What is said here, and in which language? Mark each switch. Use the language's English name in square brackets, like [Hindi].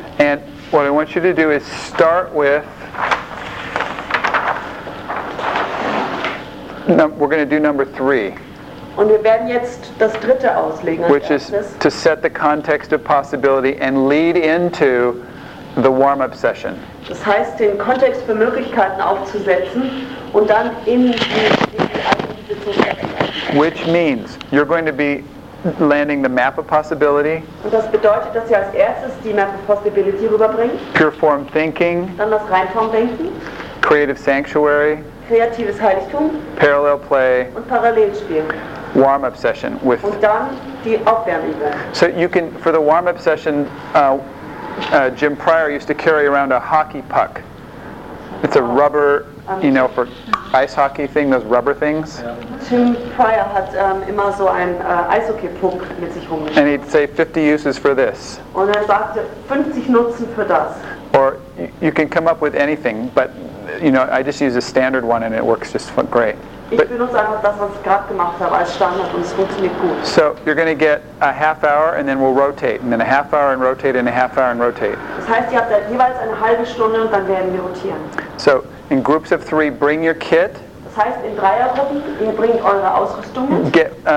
[English] And what I want you to do is start with. We're going to do number three. [German] Und wir werden jetzt das dritte auslegen. [English] Which is to set the context of possibility and lead into. The warm-up session. [German] Das heißt, den Kontext für Möglichkeiten aufzusetzen und dann in die [English] Which means you're going to be landing the map of possibility. [German] Und das bedeutet, dass ihr als erstes die Map of Possibility rüberbringt. [English] Pure form thinking. [German] Dann das Reinformdenken. [English] Creative sanctuary. [German] Kreatives Heiligtum. [English] Parallel play. [German] Und Parallelspiel. [English] Warm-up session with. [German] Und dann die Aufwärmübung. [English] So you can for the warm-up session. Jim Pryor used to carry around a hockey puck. It's a rubber, you know, for ice hockey thing, those rubber things. [German] Jim Pryor hat immer so ein Eishockey-Puck mit sich rumgeschickt. [English] And he'd say 50 uses for this. [German] Und er sagte 50 Nutzen für das. [English] Or you can come up with anything, but, you know, I just use a standard one and it works just great. [German] Ich benutze einfach das, was ich gerade gemacht habe, als Standard und es funktioniert gut. [English] So, you're going to get a half hour and then we'll rotate. And then a half hour and rotate and a half hour and rotate. [German] Das heißt, ihr habt jeweils eine halbe Stunde und dann werden wir rotieren. [English] So, in groups of three, bring your kit. [German] Das heißt, in Dreiergruppen, ihr bringt eure Ausrüstung mit.